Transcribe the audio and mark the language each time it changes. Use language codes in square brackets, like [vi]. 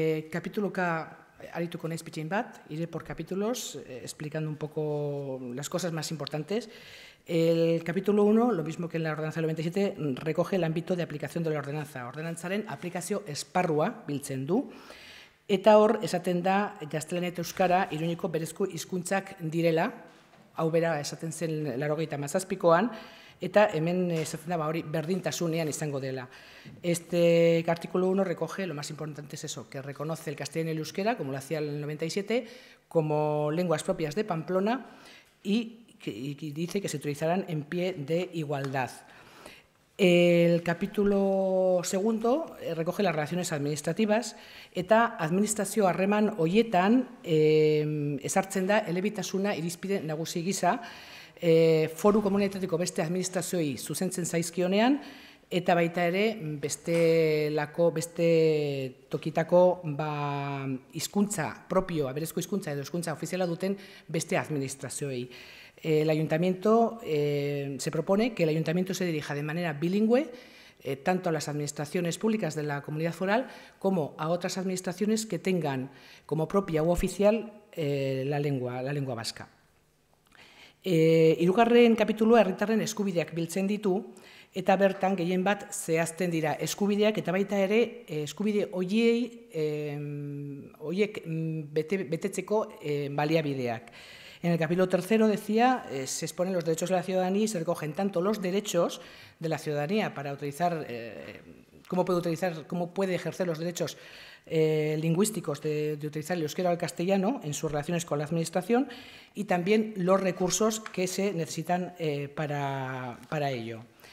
[es] Capítulo K, aritu con espichin bat, iré por capítulos explicando un poco las cosas más importantes. El capítulo 1, lo mismo que en la ordenanza del 97, recoge el ámbito de aplicación de la ordenanza. [eu] Ordenantzaren aplikazio esparrua biltzen du, eta hor esaten da gaztelania eta euskara iruñeko berezko hizkuntzak direla, hau bera esaten zen 87koan, eta hemen esaten da hori berdintasunean izango dela. [es] Este artículo 1 recoge, lo más importante es eso, que reconoce el castellano y el euskera, como lo hacía en el 97, como lenguas propias de Pamplona y que dice que se utilizarán en pie de igualdad. El capítulo segundo recoge las relaciones administrativas, [eu] eta administrazio harreman hoietan esartzen da elebitasuna irizpide nagusi gisa, foru komunitateko beste administrazioi zuzentzen zaizkionean, eta baita ere beste tokitako hizkuntza propio, berezko hizkuntza edo hizkuntza ofiziala duten beste administrazioi. [es] El ayuntamiento se propone que el ayuntamiento se dirija de manera bilingüe tanto a las administraciones públicas de la comunidad foral como a otras administraciones que tengan como propia u oficial la lengua vasca. [eu] Hirugarren kapitulua herritarren eskubideak biltzen ditu eta bertan gehien bat zehazten dira eskubideak eta baita ere eskubide horiek betetzeko baliabideak. [es] En el capítulo tercero, decía, se exponen los derechos de la ciudadanía y se recogen tanto los derechos de la ciudadanía para utilizar, cómo puede ejercer los derechos lingüísticos de utilizar el euskera o el castellano en sus relaciones con la administración y también los recursos que se necesitan para ello.